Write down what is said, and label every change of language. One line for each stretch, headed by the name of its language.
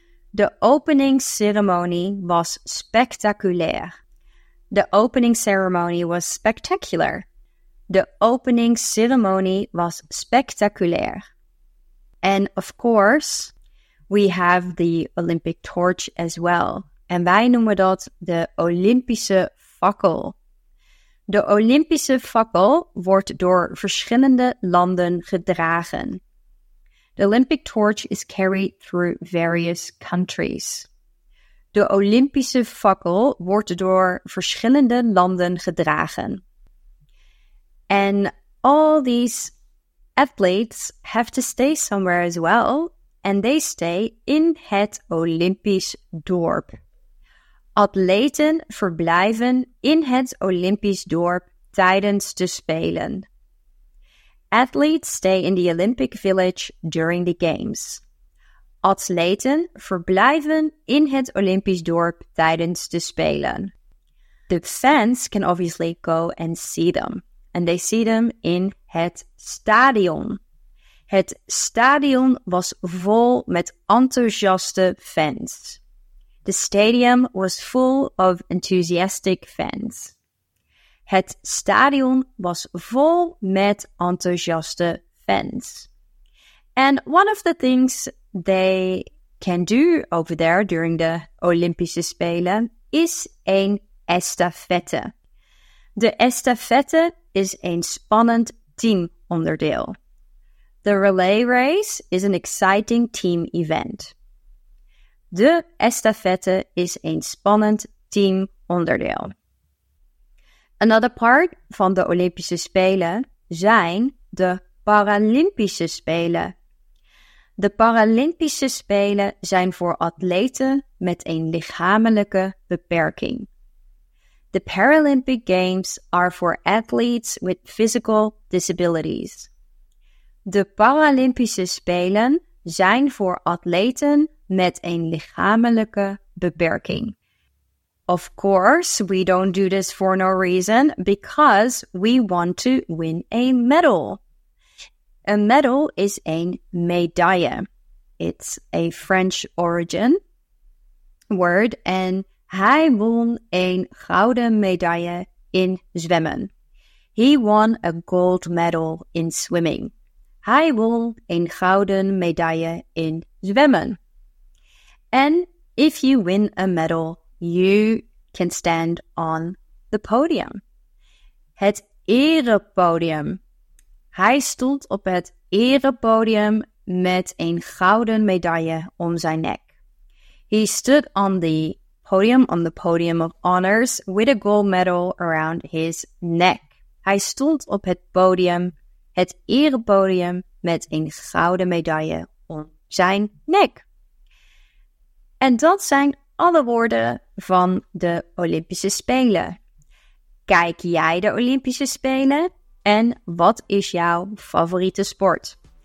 Dutch: De openingsceremonie was spectaculair.
English: De opening ceremony was spectacular.
Dutch: De openingsceremonie was spectaculair.
English: And of course, we have the Olympic torch as well.
Dutch: En wij noemen dat de Olympische fakkel. De Olympische fakkel wordt door verschillende landen gedragen.
English: The Olympic torch is carried through various countries.
Dutch: De Olympische fakkel wordt door verschillende landen gedragen.
English: And all these athletes have to stay somewhere as well, and they stay in het Olympisch dorp.
Dutch: Atleten verblijven in het Olympisch dorp tijdens de Spelen.
English: Athletes stay in the Olympic Village during the Games.
Dutch: Atleten verblijven in het Olympisch dorp tijdens de Spelen.
English: The fans can obviously go and see them. And they see them in het stadion.
Dutch: Het stadion was vol met enthousiaste fans.
English: The stadium was full of enthusiastic fans.
Dutch: Het stadion was vol met enthousiaste fans.
English: And one of the things they can do over there during the Olympische Spelen is een estafette.
Dutch: De estafette is een spannend teamonderdeel.
English: The relay race is an exciting team event.
Dutch: De estafette is een spannend teamonderdeel.
English: Another part
Dutch: van de Olympische Spelen zijn de Paralympische Spelen. De Paralympische Spelen zijn voor atleten met een lichamelijke beperking.
English: The Paralympic Games are for athletes with physical disabilities.
Dutch: De Paralympische Spelen zijn voor atleten met een lichamelijke beperking.
English: Of course, we don't do this for no reason, because we want to win a medal. A medal is een medaille. It's a French origin word.
Dutch: En hij won een gouden medaille in zwemmen.
English: He won a gold medal in swimming.
Dutch: Hij won een gouden medaille in zwemmen.
English: And if you win a medal, you can stand on the podium.
Dutch: Het erepodium. Hij stond op het erepodium met een gouden medaille om zijn nek.
English: He stood on the podium of honors with a gold medal around his neck.
Dutch: Hij stond op het erepodium met een gouden medaille om zijn nek. En dat zijn alle woorden van de Olympische Spelen. Kijk jij de Olympische Spelen? En wat is jouw favoriete sport?